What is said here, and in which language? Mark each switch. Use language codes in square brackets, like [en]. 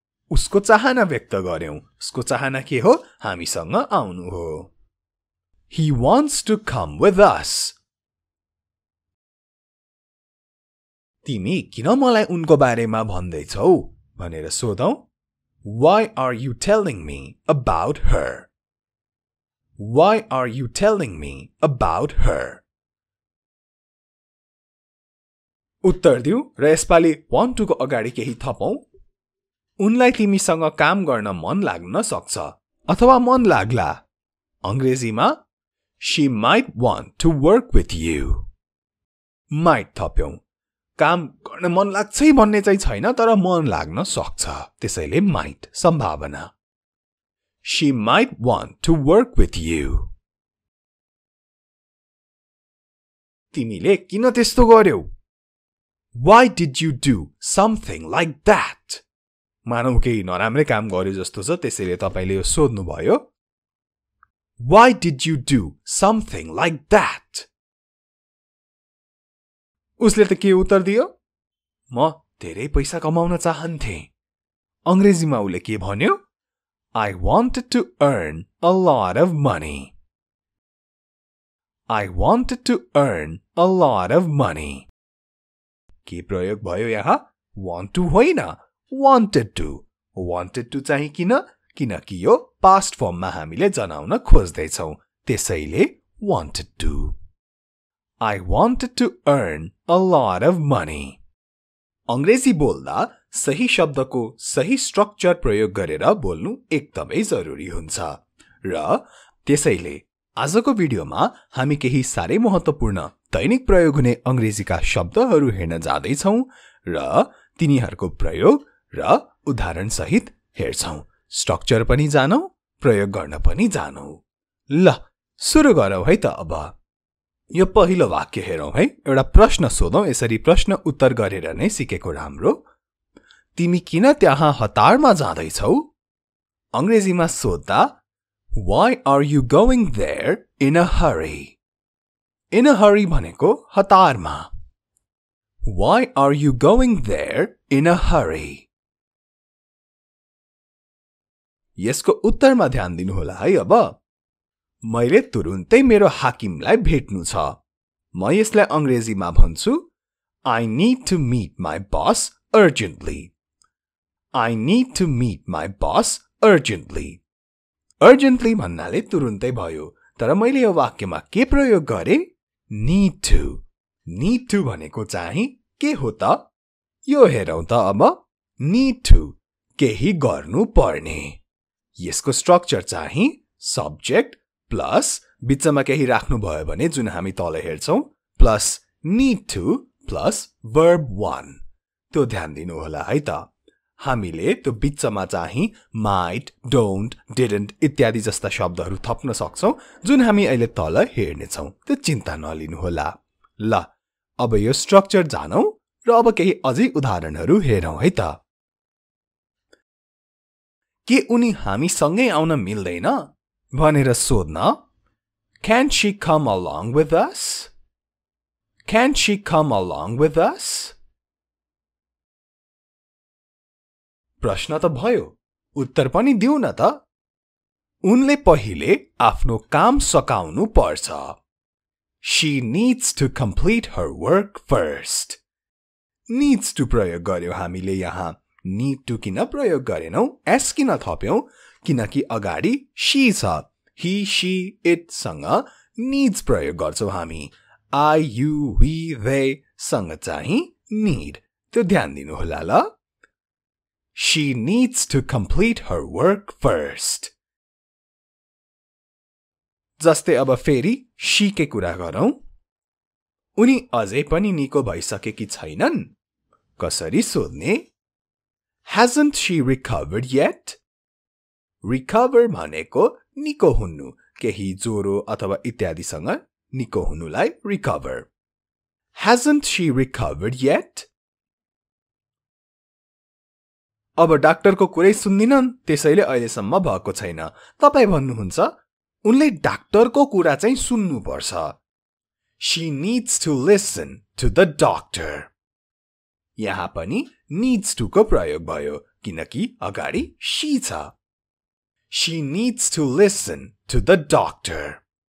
[ne] उसको चाहना व्यक्त गर्यौँ उसको चाहना के हो हामीसँग आउनु हो [en] He wants to come with us. [ne] तिमी किन मलाई उनको बारेमा भन्दैछौ भनेर सोधौ [en] Why are you telling me about her? Why are you telling me about her? [ne] उत्तर दिउ र यसपालि 1-2 को अगाडि केही थपौ उनलाई तिमीसँग काम गर्न मन लाग्न सक्छ अथवा मन लाग्ला अंग्रेजीमा [en] She might want to work with you. [ne] Might थप्यौ काम गर्न मन लाग्छै भन्ने चाहिँ छैन तर मन लाग्न सक्छ त्यसैले might सम्भावना [en] She might want to work with you. [ne] तिमीले किन त्यस्तो गर्यौ [en] Why did you do something like that? [ne] मानौ केही नराम्रो काम गरे जस्तो छ त्यसैले तपाईले यो सोध्नु भयो [en] Why did you do something like that? [ne] उसले त के उत्तर दियो म धेरै पैसा कमाउन चाहन्थे अंग्रेजीमा उले के भन्यो [en] I wanted to earn a lot of money. I wanted to earn a lot of money. [ne] के प्रयोग भयो यहाँ [en] want to [ne] होइन [en] wanted to. Wanted to [ne] चाहिँ किन किनकि यो past form मा हामीले जनाउन खोज्दै छौं त्यसैले wanted to. [en] I wanted to earn a lot of money. [ne] अंग्रेजी बोल्दा सही शब्दको सही स्ट्रक्चर प्रयोग गरेर बोल्नु एकदमै जरुरी हुन्छ र त्यसैले आजको भिडियोमा हामी केही सारै महत्त्वपूर्ण दैनिक प्रयोग हुने अंग्रेजीका शब्दहरू हेर्न जादै छौं र तिनीहरूको प्रयोग र उदाहरण सहित हेर्छौं स्ट्रक्चर पनि जानौ प्रयोग गर्न पनि जानौ ल सुरु गरौ है त अब यो पहिलो वाक्य हेरौ है एउटा प्रश्न सोधौ यसरी प्रश्न उत्तर गरेर नै सिकेको राम्रो तिमी किन त्यहाँ हतारमा जाँदै छौ अंग्रेजीमा सोध्दा [en] Why are you going there in a hurry? In a hurry [ne] भनेको हतारमा [en] Why are you going there in a hurry? [ne] यसको उत्तरमा ध्यान दिनुहोला है अब मैले तुरुन्तै मेरो हाकिमलाई भेट्नु छ म यसलाई अंग्रेजीमा भन्छु [en] I need to meet my boss urgently. I need to meet my boss urgently. [ne] Urgently भन्नाले तुरुन्तै भयो तर मैले यो वाक्यमा के प्रयोग गरे [en] need to. Need to [ne] भनेको चाहिँ के हो त यो हेरौं त अब [en] need to [ne] केही गर्नु पर्ने यसको स्ट्रक्चर चाहिँ सब्जेक्ट प्लस बीचमा केही राख्नु भयो भने जुन हामी तल हेर्छौं plus need to plus verb 1 त्यो ध्यान दिनु होला है त हामीले त्यो बीचमा चाहिँ [en] might don't didn't [ne] इत्यादि जस्ता शब्दहरू थप्न सक्छौं जुन हामी अहिले तल हेर्ने छौं त्यो चिन्ता नलिनु होला ल अब यो स्ट्रक्चर जानौ र अब केही अझै उदाहरणहरू हेरौ है त के उनी हामी सँगै आउन मिल्दैन भनेर सोध्न [en] Can she come along with us? Can she come along with us? [ne] प्रश्न त भयो उत्तर पनि दिउ न त उनले पहिले आफ्नो काम सकाउनु पर्छ [en] She needs to complete her work first. Needs to [ne] प्रयोग गर्यो हामीले यहाँ [en] need to [ne] किन प्रयोग गरेनौ एस किन थप्यौ किनकि अगाडि she छ [en] he she it [ne] सँग needs प्रयोग गर्छौ हामी [en] I you we they [ne] सँग चाहिँ need त्यो ध्यान दिनु होला ल [en] She needs to complete her work first. [ne] जस्तै अब फेरि she के कुरा गरौ उनी अझै पनि निको भइसकेकी छैनन् कसरी सोध्ने [en] Hasn't she recovered yet? [ne] Recover भनेको निको हुनु केही ज्वरो अथवा इत्यादि सँग निको हुनुलाई recover. [en] Hasn't she recovered yet? [ne] अब डाक्टरको कुरै सुन्दिनन् त्यसैले अहिलेसम्म भएको छैन तपाईँ भन्नुहुन्छ उनले डाक्टरको कुरा चाहिँ सुन्नुपर्छ [en] She needs to listen to the doctor. [ne] यहाँ पनि [en] needs to [ne] को प्रयोग भयो किनकि अगाडि she छ [en] She needs to listen to the doctor.